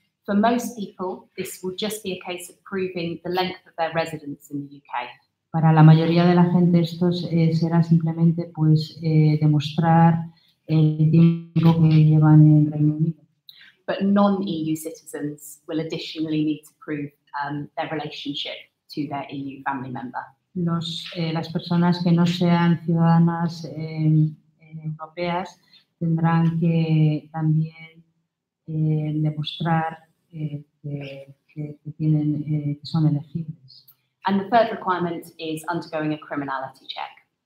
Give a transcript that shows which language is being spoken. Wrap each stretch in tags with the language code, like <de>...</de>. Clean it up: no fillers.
<en>For most people, this will just be a case of proving the length of their residence in the UK.</en> <es>Para la mayoría de la gente esto será simplemente pues demostrar el tiempo que llevan en Reino Unido.</es> <en>But non-EU citizens will additionally need to prove their relationship to their EU family member.</en> <es>Las personas que no sean ciudadanas europeas tendrán que también demostrar que tienen que son elegibles.</es> <en>And the third requirement is undergoing a criminality check.</en>